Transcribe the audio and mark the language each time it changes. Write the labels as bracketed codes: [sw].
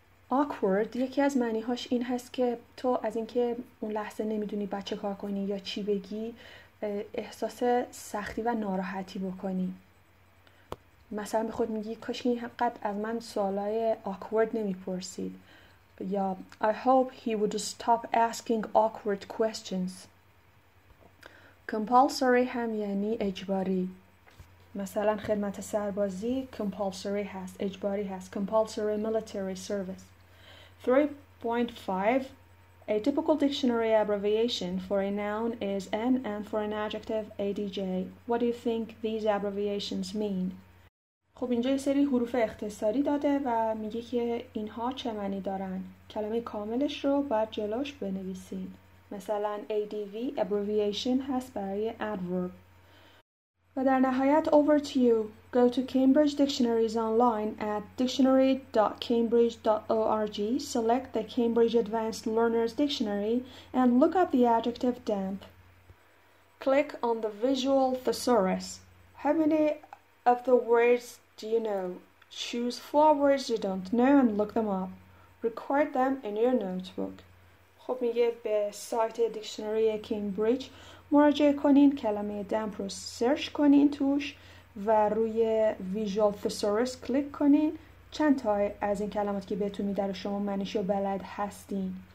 [fa] Awkward یکی از معنی هاش این هست که تو از اینکه اون لحظه نمیدونی بچه کار کنی یا چی بگی احساس سختی و ناراحتی بکنی. مثلا به خود میگی کاش این حقیقت از من سوالای awkward نمیپرسید. [en] یا I hope he would stop asking awkward questions. [fa] Compulsory هم یعنی اجباری. مثلا خدمت سربازی compulsory هست، اجباری هست. [en] Compulsory military service. 3.5. A typical dictionary abbreviation for a noun is N and for an adjective ADJ. What do you think these abbreviations mean? [fa] خب اینجا یه سری حروف اختصاری داده و میگه که اینها چه معنی دارن. کلمه کاملش رو باید جلوش بنویسین. مثلا ADV abbreviation هست برای adverb. و در نهایت [en] over to you. Go to Cambridge Dictionaries online at dictionary.cambridge.org. Select the Cambridge Advanced Learners Dictionary and look up the adjective damp. Click on the visual thesaurus. How many of the words do you know? Choose 4 words you don't know and look them up. Record them in your notebook. [fa] خب میگه به سایت دیکشنری کمبریج مراجعه کنین، کلمه دمپ رو سرچ کنین توش و روی ویژوال thesaurus کلیک کنین. چند تای از این کلمات که بهتون میدره شما معنیش رو بلد هستین.